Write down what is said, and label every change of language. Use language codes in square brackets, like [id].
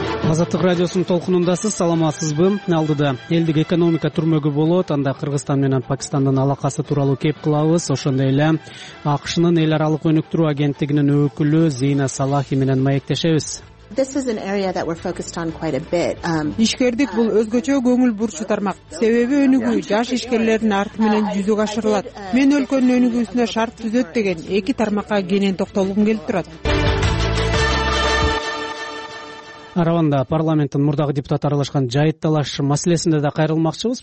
[ky] Азаттык радиосунун толкунундасыз, саламатсызбы? Алдыда элдик экономика түрмөгү болот, анда Кыргызстан менен Пакистандын алакасы тууралуу кеп кылабыз. Ошондой эле АКШнын эл аралык өнүктүрүү агенттигинин өкүлү Зейна Салахи менен маектешебиз. [en] This is an area that we're focused on quite a bit. [ky] Ишкердик бул өзгөчө көңүл бурчу тармак. Себеби өнүгүү жаш ишкерлердин арты менен жүзөгө ашырылат. Мен өлкөнүн өнүгүүсүнө шарт түзөт деген эки тармакка кенен токтолгум келип турат. Араванда парламенттин мурдагы депутат аралашкан жайыт талаш маселесинде да кайрылмакчыбыз.